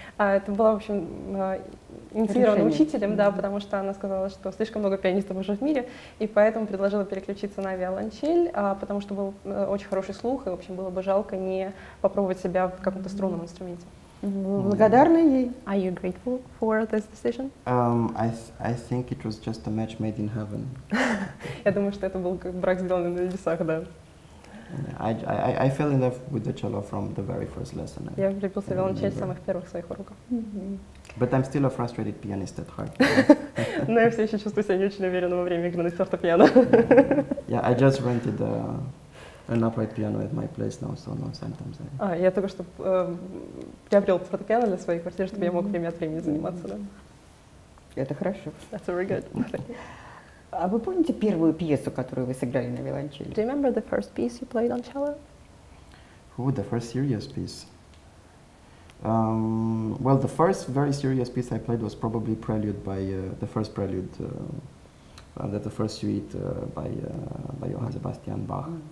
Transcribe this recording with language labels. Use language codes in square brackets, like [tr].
[ru] Это было, в общем, инициировано учителем, mm-hmm. да, потому что она сказала, что слишком много пианистов уже в мире, и поэтому предложила переключиться на виолончель, потому что был очень хороший слух, и, в общем, было бы жалко не попробовать себя в каком-то струнном инструменте. Mm-hmm. Благодарна ей. [en] Are you grateful for this decision? I think it was just a match made in heaven. [ru] Я думаю, что это был как брак, сделанный на небесах, да. [en] I fell in love with the cello from the very first lesson. [ru] Я влюбился в виолончель с самых первых своих уроков. [en] But I'm still a frustrated pianist at heart. [ru] Но я все еще чувствую себя не очень уверенно во время игры на фортепиано. [en] Yeah, I just rented an upright piano at my place now, so no, sometimes I... [ru] А, я только что приобрел фортепиано для своей квартиры, чтобы я мог время от времени заниматься, да. Это хорошо. [en] That's very good. [ru] А вы помните первую пьесу, которую вы сыграли на виолончели? [en] Do you remember the first piece you played on cello? Ooh, the first serious piece. Well, the first very serious piece I played was probably Prelude by the first Prelude, the first suite by Johann Sebastian Bach.